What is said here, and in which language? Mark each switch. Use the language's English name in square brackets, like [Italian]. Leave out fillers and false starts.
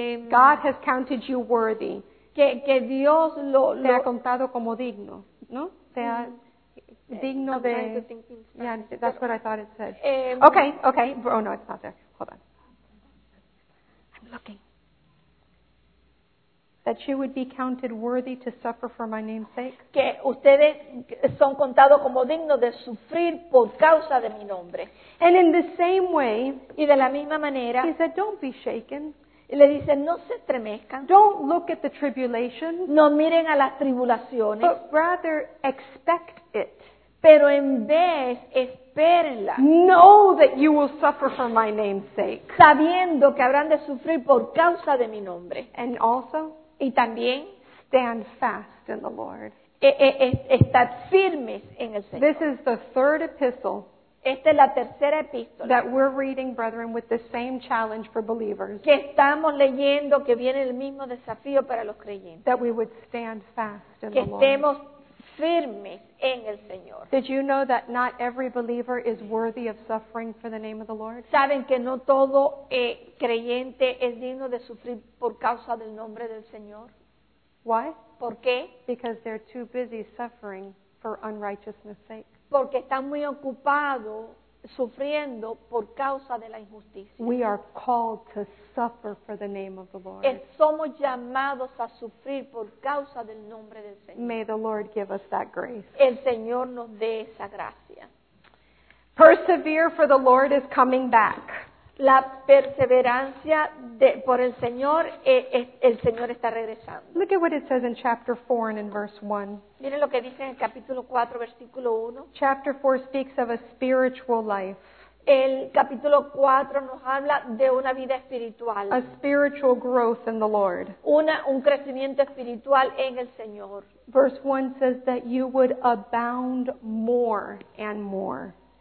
[English] God has counted you worthy. [Spanish] Que Dios te ha contado como digno, ¿no? Te ha digno de. [English] Yeah, that's what I thought it said. Okay. Oh no, it's not there. Hold on. I'm looking. That you would be counted worthy to suffer for my name's sake. [Spanish] Que ustedes son contados como dignos de sufrir por causa de mi nombre. [English] And in the same way, [Spanish] y de la misma manera, [English] he said, don't be shaken. [Spanish] Y le dice, no se estremezcan. [English] Don't look at the tribulation. [Spanish] No miren a las tribulaciones. [English] But rather expect it. [Spanish] Pero en vez, espérenla. [English] Know that you will suffer for my name's sake. [Spanish] Sabiendo que habrán de sufrir por causa de mi nombre. [English] And also, [Spanish] y también, [English] stand fast in the Lord. [Spanish] estar firmes en el Señor. [English] This is the third epistle. [Spanish] Esta es la tercera epístola. [English] That we're reading, brethren, with the same challenge for believers. [Spanish] Que estamos leyendo, que viene el mismo desafío para los creyentes. [English] That we would stand fast in the Lord. [Spanish] Que estemos firmes en el Señor. [English] Did you know that not every believer is worthy of suffering for the name of the Lord? [Spanish] ¿Saben que no todo creyente es digno de sufrir por causa del nombre del Señor? [English] Why? [Spanish] ¿Por qué? [English] Because they're too busy suffering for unrighteousness' sake. [Spanish] Porque están muy ocupados sufriendo por causa de la injusticia. [English] We are called to suffer for the name of the Lord. [Spanish] Somos llamados a sufrir por causa del nombre del Señor. [English] May the Lord give us that grace. [Spanish] El Señor nos dé esa gracia. [English] Persevere, for the Lord is coming back. [Spanish] La perseverancia por el Señor, el Señor está regresando. [English] Look at what it says in chapter 4 and in verse 1. [Spanish] Miren lo que dice en el capítulo 4, versículo 1. [English] Chapter 4 speaks of a spiritual life. [Spanish] El capítulo 4 nos habla de una vida espiritual. [English] A spiritual growth in the Lord. [Spanish] Un crecimiento espiritual en el Señor. [English] Verse 1 says that you would abound more and more.